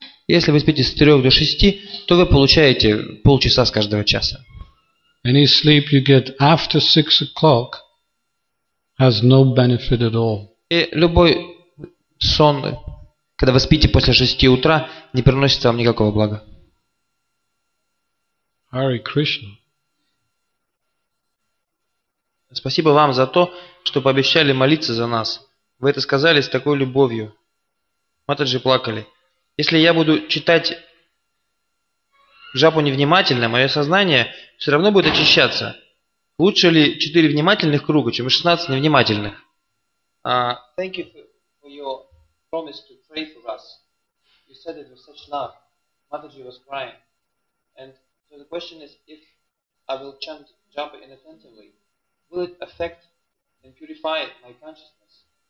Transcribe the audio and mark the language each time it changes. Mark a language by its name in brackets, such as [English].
[Russian] Если вы спите с 3 до 6, то вы получаете полчаса с каждого часа. [English] Any sleep you get after 6 o'clock has no benefit at all. [Russian] И любой сон, когда вы спите после 6 утра, не приносит вам никакого блага. [Sanskrit] Hare Krishna. [Russian] Спасибо вам за то, что пообещали молиться за нас. Вы это сказали с такой любовью. Матаджи плакали. Если я буду читать джапу невнимательно, мое сознание все равно будет очищаться. Лучше ли 4 внимательных круга, чем 16 невнимательных? [English] Thank you for your promise to pray for us. You said it with such love. Mataji was crying. And so the question is, if I will chant japa inattentively, will it affect and purify my consciousness?